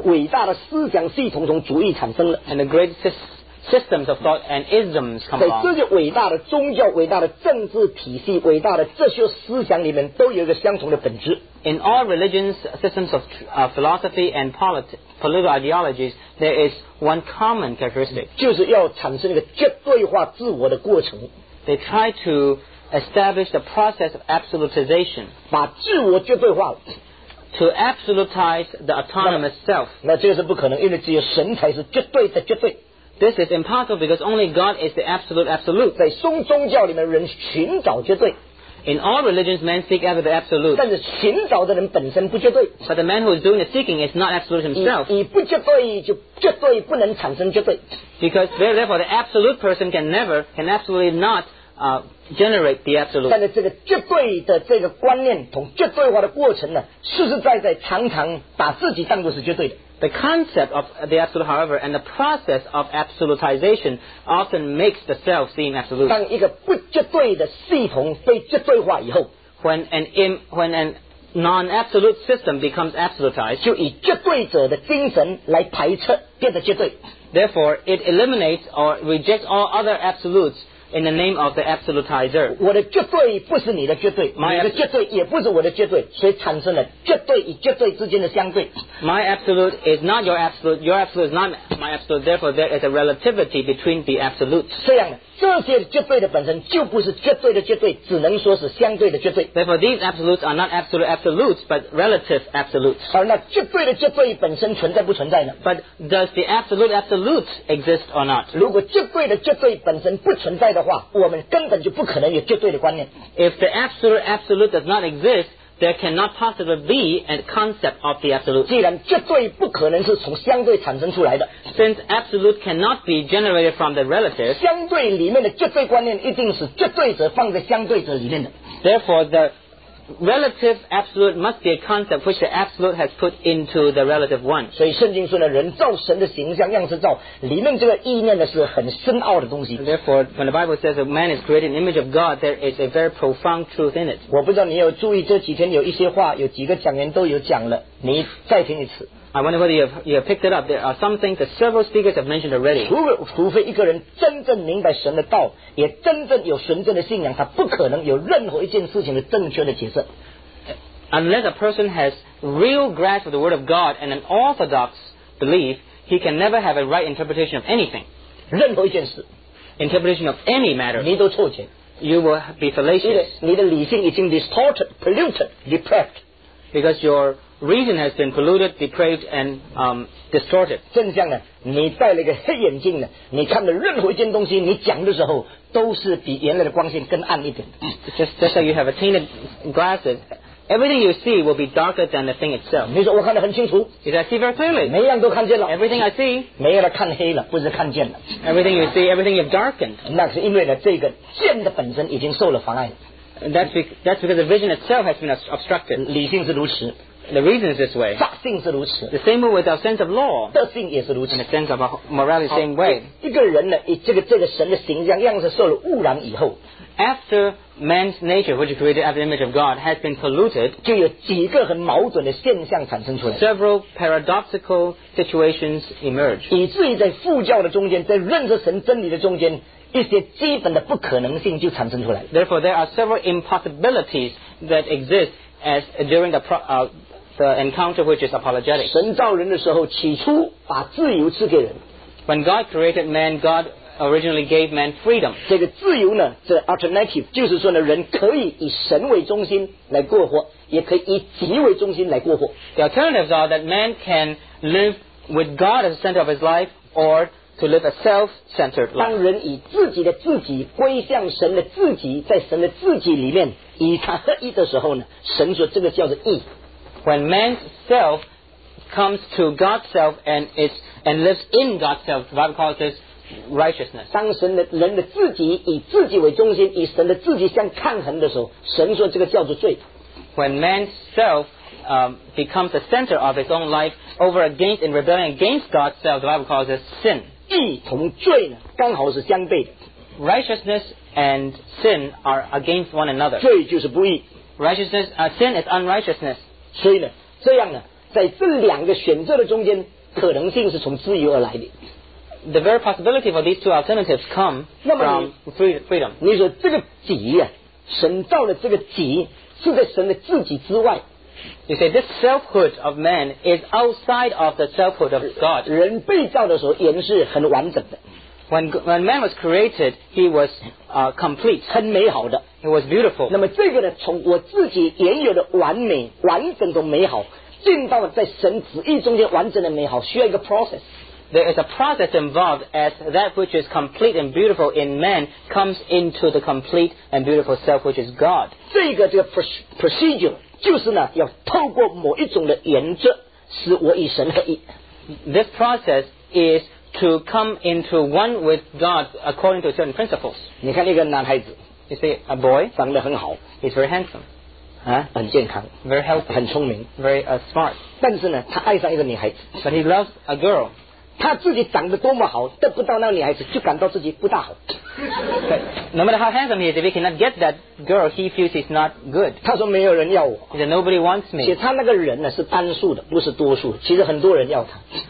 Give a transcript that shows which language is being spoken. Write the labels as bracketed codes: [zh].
[zh] 伟大的思想系统从主义产生了。 [en] And the great systems of thought and isms come along. [zh] 在这些伟大的宗教、伟大的政治体系、伟大的哲学思想里面，都有一个相同的本质。 [en] In all religions, systems of philosophy and political ideologies, there is one common characteristic. [zh] 就是要产生一个绝对化自我的过程。 [en] They try to establish the process of absolutization. [zh] 把自我绝对化。 [en] To absolutize the autonomous self. [zh] 那这个是不可能，因为只有神才是绝对的绝对。 [en] This is impossible because only God is the absolute absolute. [zh] 在宗教里面，人寻找绝对。 [en] In all religions, men seek after the absolute. [zh] 但是寻找的人本身不绝对。 [en] But the man who is doing the seeking is not absolute himself. [zh] 以不绝对就绝对不能产生绝对。 [en] Because therefore, the absolute person can absolutely not generate the absolute. [zh] 但是这个绝对的这个观念同绝对化的过程呢，实实在在常常把自己当作是绝对的。 [en] The concept of the absolute, however, and the process of absolutization often makes the self seem absolute. [zh] 当一个不绝对的系统被绝对化以后 [en] when a non-absolute system becomes absolutized, [zh] 就以绝对者的精神来排斥变得绝对。 [en] Therefore, it eliminates or rejects all other absolutes in the name of the absolutizer. [zh] 我的绝对不是你的绝对，你的绝对也不是我的绝对，所以产生了绝对与绝对之间的相对。 [en] My absolute is not your absolute, your absolute is not my absolute, therefore there is a relativity between the absolutes. [zh] 这样这些绝对的本身就不是绝对的绝对，只能说是相对的绝对。 [en] Therefore, these absolutes are not absolute absolutes, but relative absolutes. [zh] 而那绝对的绝对本身存在不存在呢？ [en] But does the absolute absolute exist or not? [zh] 如果绝对的绝对本身不存在的话，我们根本就不可能有绝对的观念。 [en] If the absolute absolute does not exist,There cannot possibly be a concept of the absolute. [zh] 既然绝对不可能是从相对产生出来的 [en] Since absolute cannot be generated from the relative, [zh] 相对里面的绝对观念一定是绝对者放在相对者里面的 [en] Therefore, the relative absolute must be a concept which the absolute has put into the relative one. [zh] 所以圣经说呢，人造神的形象，样式造，里面这个意念呢是很深奥的东西。 [en] Therefore, when the Bible says a man is created in the image of God, there is a very profound truth in it. [zh] 我不知道你有注意这几天有一些话，有几个讲员都有讲了，你再听一次。 [en] I wonder whether you have picked it up. There are some things that several speakers have mentioned already. [zh] 除非一个人真正明白神的道，也真正有纯正的信仰，他不可能有任何一件事情的正确的解释。 [en] Unless a person has real grasp of the Word of God and an orthodox belief, he can never have a right interpretation of anything. [zh] 任何一件事。 [en] Interpretation of any matter. [zh] 你都错解。 [en] You will be fallacious. [zh] 你的理性已经 [en] distorted, polluted, depraved. Because your reason has been polluted, depraved, and distorted. [zh] 正像呢，你戴了一个黑眼镜呢，你看的任何一件东西，你讲的时候都是比原来的光线更暗一点。 [en] Just like you have a tinted glasses, everything you see will be darker than the thing itself. [zh] 你说我看得很清楚。 [en] You say, I see very clearly. [zh] 每样都看见了。 [en] Everything I see. [zh] 没有了，看黑了，不是看见了。 [en] Everything you see, everything you've darkened. [zh] 那是因为呢，这个见的本身已经受了妨碍。 [en] That's because the vision itself has been obstructed. [zh] 理性是如此。 [en] The reason is this way. [zh] 法性是如此。 [en] The same way with our sense of law. [zh] 德性也是如此。 [en] And the sense of our morality, same way. [zh] 一个人呢，这个神的形象样式受了污染以后 [en] ，After man's nature, which is created after the image of God, has been polluted, [zh] 就有几个很矛盾的现象产生出来。 [en] Several paradoxical situations emerge. [zh] 以至于在副教的中间，在认识神真理的中间，一些基本的不可能性就产生出来。 [en] Therefore, there are several impossibilities that exist as during the encounter which is apologetic. [zh] 神造人的时候起初把自由赐给人。 [en] When God created man, God originally gave man freedom. [zh] 这个自由呢，这 alternative 就是说呢，人可以以神为中心来过活，也可以以己为中心来过活。 [en] The alternatives are that man can live with God as the center of his life or to live a self-centered life. [zh] 当人以自己的自己归向神的自己，在神的自己里面以他合一的时候呢，神说这个叫做义。 [en] When man's self comes to God's self and lives in God's self, the Bible calls this righteousness. [zh] 当神的人的自己以自己为中心，以神的自己相抗衡的时候，神说这个叫做罪。 [en] When man's self becomes the center of his own life over against in rebellion against God's self, the Bible calls this sin. [zh] 义同罪呢，刚好是相悖的。 [en] Righteousness and sin are against one another. [zh] 罪就是不义。 [en] Righteousness, sin is unrighteousness. [zh] 所以呢，这样呢，在这两个选择的中间，可能性是从自由而来的。 [en] The very possibility for these two alternatives come from freedom. [zh] 你说这个己啊，神造的这个己是在神的自己之外。 [en] You say this selfhood of man is outside of the selfhood of God. [zh] 人被造的时候也是很完整的。 [en] When man was created, he was complete. [zh] 很美好的。 [en] It was beautiful. [zh] 那么这个呢，从我自己原有的完美、完整的美好，进到了在神旨意中间完整的美好，需要一个 process. [en] There is a process involved as that which is complete and beautiful in man comes into the complete and beautiful self which is God. [zh] 这个 procedure 就是呢，要透过某一种的原则，使我与神合一。 [en] This process is to come into one with God according to certain principles. [zh] 你看一个男孩子。 [en] You see, a boy [zh] 长得很好 [en] He's very handsome [zh] 啊，很健康 [en] Very healthy [zh] 很聪明 [en] Very smart [zh] 但是呢，他爱上一个女孩子 [en] But he loves a girl [zh] 他自己长得多么好得不到那个女孩子就感到自己不大好 [en] No matter how handsome he is if he cannot get that girl he feels he's not good [zh] 他说没有人要我 [en] He said nobody wants me [zh] 其实他那个人呢是单数的不是多数其实很多人要他